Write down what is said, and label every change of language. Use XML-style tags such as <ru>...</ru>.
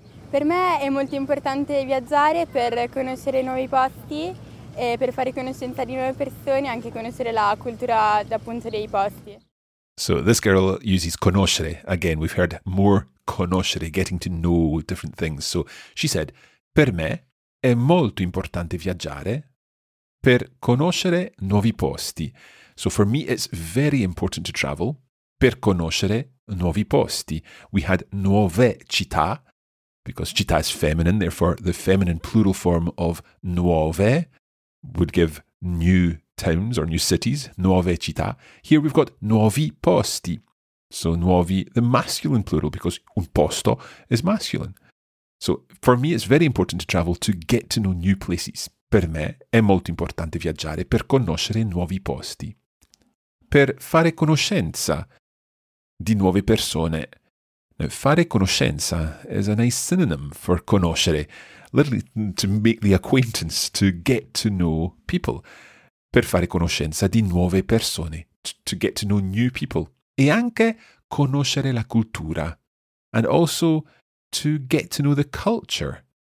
<it>Per me è molto importante viaggiare per conoscere nuovi posti e per fare conoscenza di nuove persone, anche conoscere la cultura appunto dei posti.</it> <en>So this girl uses conoscere. Again, we've heard more conoscere, getting to know different things. So she said,</en> <it>per me è molto importante viaggiare per conoscere nuovi posti.</it> <en>So for me, it's very important to travel</en> <it>per conoscere nuovi posti.</it> <en>We had</en> <it>nuove città,</it> <en>because città is feminine, therefore the feminine plural form of nuove would give new towns or new cities, nuove città. Here we've got</en> <it>nuovi posti.</it> <en>So nuovi, the masculine plural, because</en> <it>un posto</it> <en>is masculine. So for me, it's very important to travel to get to know new places.</en> <it>Per me è molto importante viaggiare per conoscere nuovi posti. Per fare conoscenza di nuove persone.</it> <en>Now,</en> <it>fare conoscenza</it> <en>is a nice synonym for conoscere, literally to make the acquaintance, to get to know people.</en> <it>Per fare conoscenza di nuove persone,</it> <en>to get to know new people.</en> <it>E anche conoscere la cultura.</it> <en>And also to get to know the culture.</en>